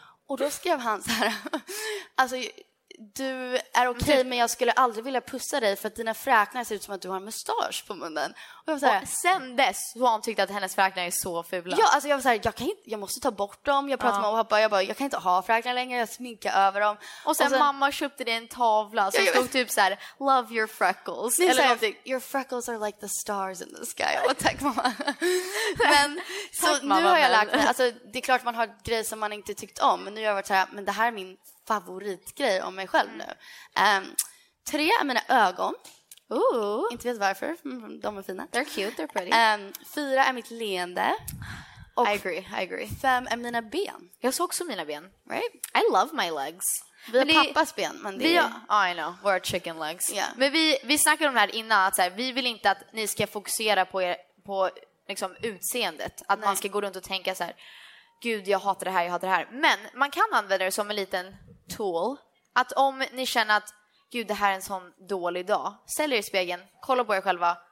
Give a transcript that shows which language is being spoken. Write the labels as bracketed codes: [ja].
[sv] Och då skrev han så här, alltså, du är okej, men jag skulle aldrig vilja pussa dig för att dina fräknar ser ut som att du har en mustasch på munnen. Och jag var så här, och sen dess så han tyckte att hennes fräknar är så fula. Ja, alltså jag var så här, jag måste ta bort dem. Jag pratade med pappa, jag kan inte ha fräknar längre, jag sminkar över dem. Och sen mamma köpte dig en tavla som stod typ så här, [en] love your freckles. [sv] Nej, eller någonting. [en] Your freckles are like the stars in the sky. [sv] Och tack mamma. Men så tack, mamma, nu har jag lagt mig. Alltså det är klart man har grejer som man inte tyckt om, men nu har jag varit så här, men det här är min favoritgrej om mig själv nu. Tre är mina ögon. Ooh. Inte vet varför, de är fina. [en] They're cute, they're pretty. [sv] Fyra är mitt leende. Och [en] I agree. [sv] Fem är mina ben. Jag såg också mina ben. [en] Right? I love my legs. [sv] Vi har pappas ben, men det [en] I know, we're chicken legs. Yeah. [sv] Men vi snackade om det här innan, att så här, vi vill inte att ni ska fokusera på er, på liksom utseendet. Att Nej. Man ska gå runt och tänka så här, gud, jag hatar det här, jag hatar det här. Men man kan använda det som en liten tool. Att om ni känner att, gud, det här är en sån dålig dag, ställ er i spegeln, kolla på er själva.